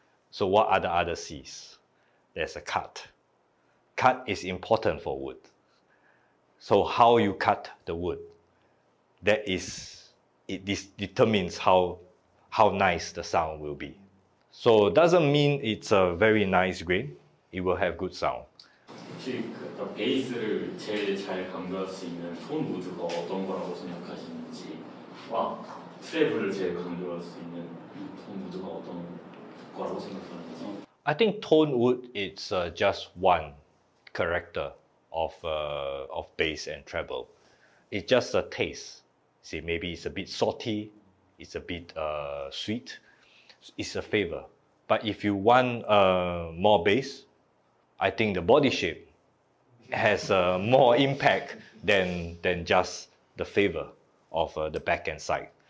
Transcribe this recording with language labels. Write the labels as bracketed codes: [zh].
[en] So what are the other C's? There's a cut. Cut is important for wood. So how you cut the wood, that is, this determines how nice the sound will be. So doesn't mean it's a very nice grain. It will have good sound. [ko] 혹시 그 베이스를 제일 잘 강조할 수 있는 톤 우드가 어떤 거라고 생각하시는지 와 트래블을 제일 강조할 수 있는 톤 우드가 어떤 거라고 생각하는지. [en] I think tone wood is just one character of bass and treble. It's just a taste. See, maybe it's a bit salty, it's a bit sweet, it's a flavor. But if you want more bass, I think the body shape has more impact than just the flavor of the back and side.